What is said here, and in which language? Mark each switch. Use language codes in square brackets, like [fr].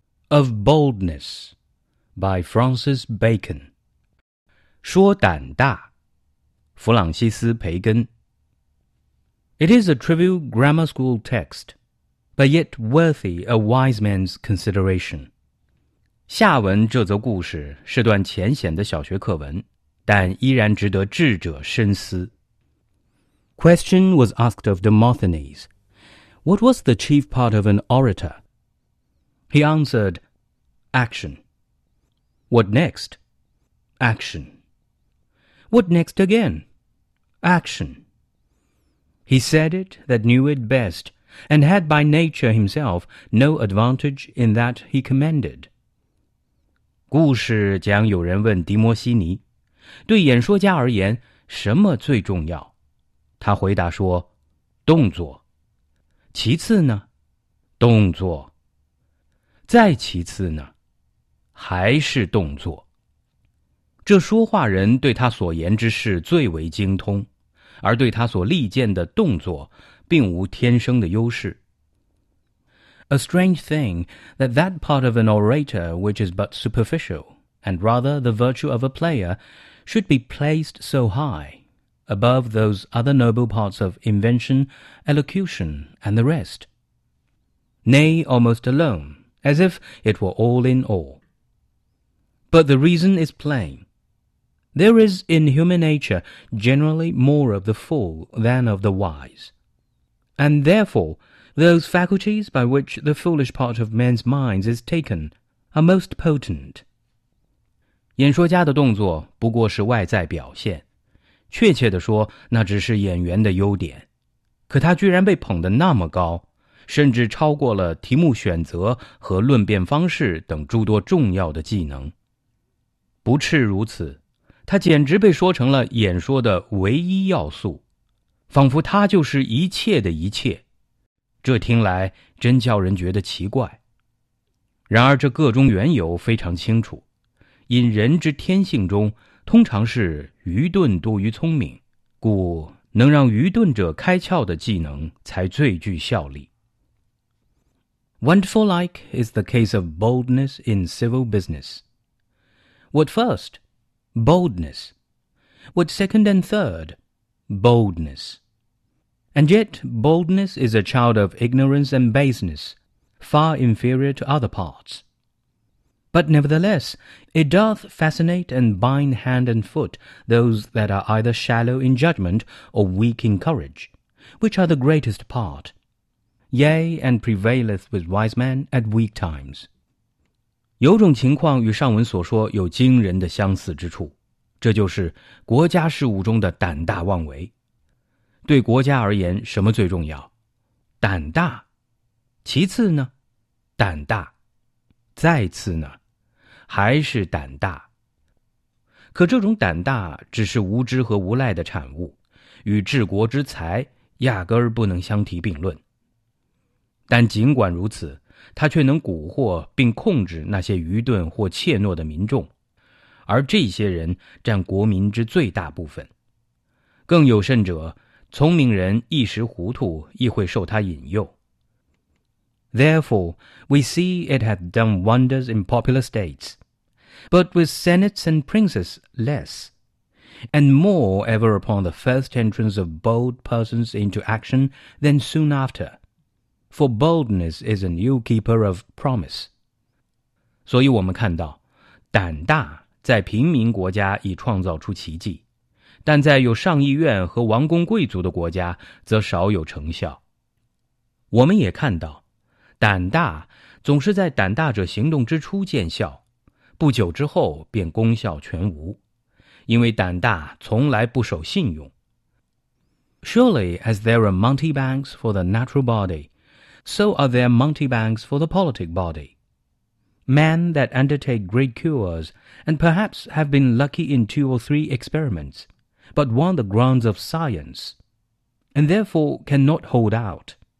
[en] Of Boldness by Francis Bacon， [zh] 说胆大，弗朗西斯·培根。 [en] It is a trivial grammar school text, but yet worthy a wise man's consideration. [zh] 下文这则故事是段浅显的小学课文，但依然值得智者深思。 [en] Question was asked of Demosthenes, What was the chief part of an orator? He answered, Action. What next? Action. What next again? Action. He said it that knew it best, and had by nature himself no advantage in that he commended. [zh] 故事讲有人问狄摩西尼，对演说家而言，什么最重要？他回答说，动作。其次呢？动作。再其次呢？还是动作。这说话人对他所言之事最为精通，而对他所力荐的动作，并无天生的优势。 [en] A strange thing that that part of an orator which is but superficial, and rather the virtue of a player, should be placed so high, above those other noble parts of invention, elocution, and the rest. Nay, almost alone, as if it were all in all. But the reason is plain. There is in human nature generally more of the fool than of the wise. And therefore,Those faculties by which the foolish part of men's minds is taken are most potent. [zh] 演说家的动作不过是外在表现，确切地说，那只是演员的优点。可他居然被捧得那么高，甚至超过了题目选择和论辩方式等诸多重要的技能。不啻如此，他简直被说成了演说的唯一要素，仿佛他就是一切的一切。这听来真叫人觉得奇怪。然而这个中缘由非常清楚，因人之天性中通常是愚钝多于聪明，故能让愚钝者开窍的技能才最具效力。 [en] Wonderful like is the case of boldness in civil business. What first? Boldness. What second and third? Boldness. And yet, boldness is a child of ignorance and baseness, far inferior to other parts. But nevertheless, it doth fascinate and bind hand and foot those that are either shallow in judgment or weak in courage, which are the greatest part. Yea, and prevaileth with wise men at weak times. [zh] 有种情况与上文所说有惊人的相似之处，这就是国家事务中的胆大妄为。对国家而言，什么最重要？胆大。其次呢？胆大。再次呢？还是胆大。可这种胆大只是无知和无赖的产物，与治国之才压根儿不能相提并论。但尽管如此，他却能蛊惑并控制那些愚钝或怯懦的民众，而这些人占国民之最大部分。更有甚者，聪明人一时糊涂亦会受他引诱。 [en] Therefore, we see it hath done wonders in popular states, but with senates and princes less, and more ever upon the first entrance of bold persons into action than soon after, for boldness is a new keeper of promise. [zh] 所以我们看到，胆大在平民国家已创造出奇迹。但在有上议院和王公贵族的国家则少有成效。我们也看到，胆大总是在胆大者行动之初见效，不久之后便功效全无，因为胆大，从来不守信用。 [en] Surely, as there are mountebanks for the natural body, so are there mountebanks for the politic body. Men that undertake great cures, and perhaps have been lucky in two or three experiments, but want the grounds of science, and therefore cannot hold out.